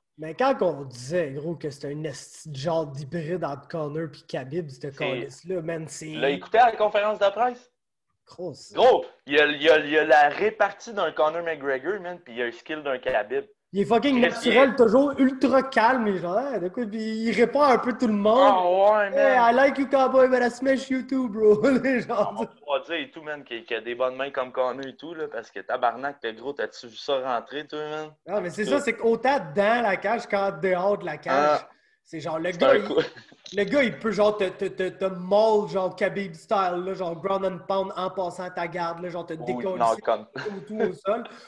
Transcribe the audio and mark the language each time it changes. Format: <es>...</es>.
<fr>Mais quand on disait, gros, que c'était un genre d'hybride entre Connor pis Khabib, c'était Carlis, là, man, c'est... L'a écouté à la conférence de presse? Gros. Gros, il y a la répartie d'un Conor McGregor, man, pis il y a le skill d'un Khabib. Il est fucking Chris naturel, toujours ultra calme, et genre, hey, de quoi, il répond un peu tout le monde. Ah ouais, man.</fr> <en>Hey, I like you, cowboy, but I smash you too, bro.</en> <fr>Les gens. On va dire et tout, man, qu'il y a des bonnes mains comme Conor et tout, là, parce que tabarnak, le gros, t'as-tu vu ça rentrer, toi, man? Non, ah, mais c'est tout. Ça, c'est qu'autant dans la cage qu'en dehors de la cage. Ah. C'est genre, le gars, il peut genre te maul, genre Khabib style, là, genre</fr> <en>ground and pound</en> <fr>en passant à ta garde, là, genre te décoller tout au sol.</fr>